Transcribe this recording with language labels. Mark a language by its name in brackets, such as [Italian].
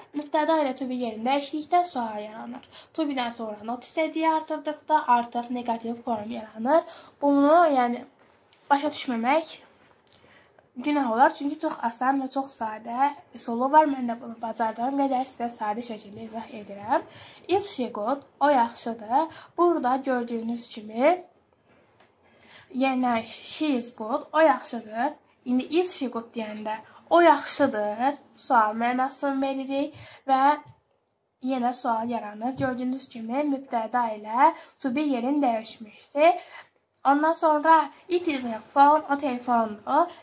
[Azerbaijani] Mübtəda ilə to be yerini dəyişdikdə sual yaranır. To be-dən sonra not istədiyi artırdıqda artıq negativ form yaranır. Bunu, yəni, başa düşməmək günah olar, çünki çox asan və çox sadə üsulu var. Mən də bunu bacardığım qədər sizə sadə şəkildə izah edirəm. [English] Is she good? O yaxşıdır. [Azerbaijani] Burada gördüyünüz kimi, yəni [English] she is good. [Azerbaijani] O yaxşıdır. İndi [English] is she good [Azerbaijani] deyəndə o yaxşıdır. Sual mənasını veririk və yenə sual yaranır. Gördüyünüz kimi, mübtəda ilə to be yerin dəyişmişdir. Ondan sonra [English] it is a phone, [Azerbaijani] o telefondur.